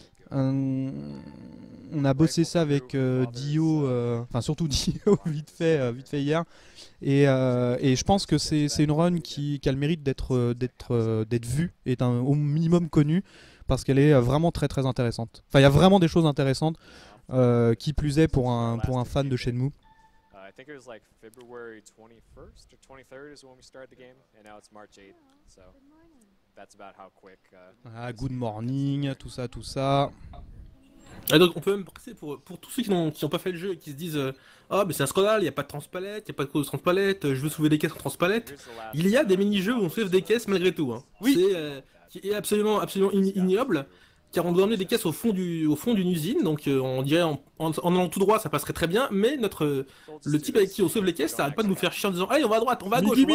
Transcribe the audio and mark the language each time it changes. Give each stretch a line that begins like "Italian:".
French: On a bossé ça avec Dio, enfin surtout Dio, vite fait hier. Et je pense que c'est une run qui a le mérite d'être vue et au minimum connue parce qu'elle est vraiment très très intéressante. Enfin, il y a vraiment des choses intéressantes qui plus est pour un fan de Shenmue.
English: I think it was like February 21st or 23rd is when we started the game, and now it's March 8th, so that's about how quick. Good morning,
French: tout ça. Et donc on peut même passer pour tous ceux qui n'ont pas fait le jeu et qui se disent « Oh, mais c'est un scandale, il n'y a pas de transpalette, il n'y a pas de cause de transpalette, je veux soulever des caisses en transpalette », il y a des mini-jeux où on soulève des caisses malgré tout. Hein. Oui. C'est qui est absolument, absolument ignoble. Car on doit emmener des caisses au fond d'une usine, donc on dirait en allant tout droit ça passerait très bien, mais le type avec qui on sauve les caisses, ça arrête pas de nous faire chier en disant « Allez, on va à droite, on va à gauche,